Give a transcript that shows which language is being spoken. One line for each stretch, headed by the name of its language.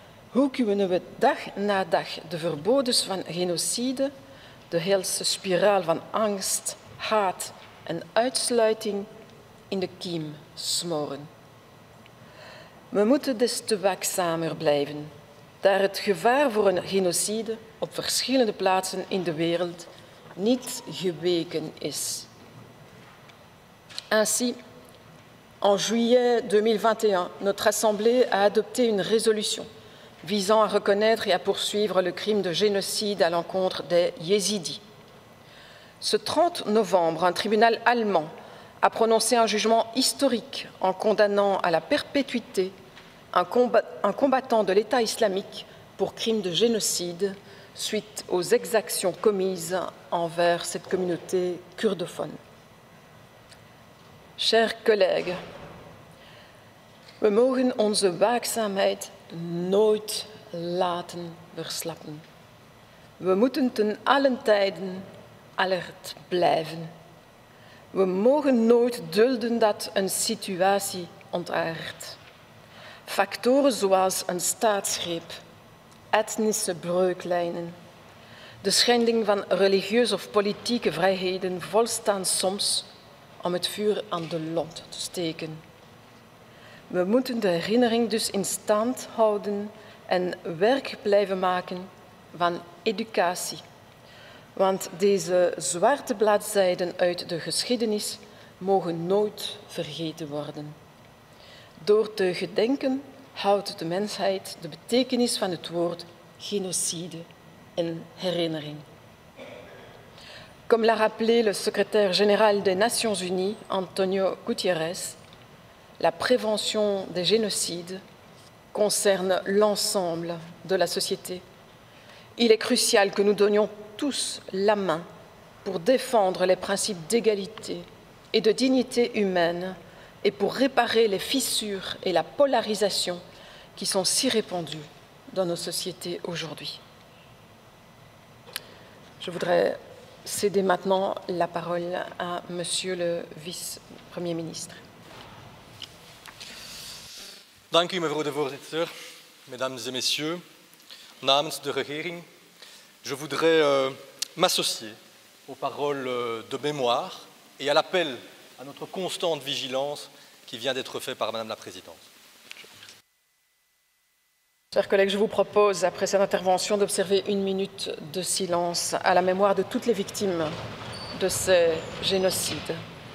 Dutch: Hoe kunnen we dag na dag de verbodens van genocide, de helse spiraal van angst, haat en uitsluiting in de kiem smoren? We moeten des te waakzamer blijven, daar het gevaar voor een genocide op verschillende plaatsen in de wereld niet geweken is.
French: Ainsi, en juillet 2021, notre Assemblée a adopté une résolution visant à reconnaître et à poursuivre le crime de génocide à l'encontre des Yézidis. Ce 30 novembre, un tribunal allemand a prononcé un jugement historique en condamnant à la perpétuité un combattant de l'État islamique pour crime de génocide suite aux exactions commises envers cette communauté kurdophone. Chers collègues,
Dutch: we mogen onze waakzaamheid nooit laten verslappen. We moeten ten allen tijden alert blijven. We mogen nooit dulden dat een situatie ontaardt. Factoren zoals een staatsgreep, etnische breuklijnen, de schending van religieuze of politieke vrijheden volstaan soms om het vuur aan de lont te steken. We moeten de herinnering dus in stand houden en werk blijven maken van educatie. Want deze zwarte bladzijden uit de geschiedenis mogen nooit vergeten worden. Door te gedenken houdt de mensheid de betekenis van het woord genocide in herinnering.
French: Comme l'a rappelé le secrétaire général des Nations Unies, Antonio Guterres, la prévention des génocides concerne l'ensemble de la société. Il est crucial que nous donnions tous la main pour défendre les principes d'égalité et de dignité humaine et pour réparer les fissures et la polarisation qui sont si répandues dans nos sociétés aujourd'hui. Je voudrais céder maintenant la parole à Monsieur le Vice-Premier ministre.
Dutch: Dank u, mevrouw de voorzitter,
French: mesdames et messieurs,
Dutch: namens de regering.
French: Je voudrais m'associer aux paroles de mémoire et à l'appel à notre constante vigilance qui vient d'être fait par Madame la Présidente. Chers collègues, je vous propose, après cette intervention, d'observer une minute de silence à la mémoire de toutes les victimes de ces génocides.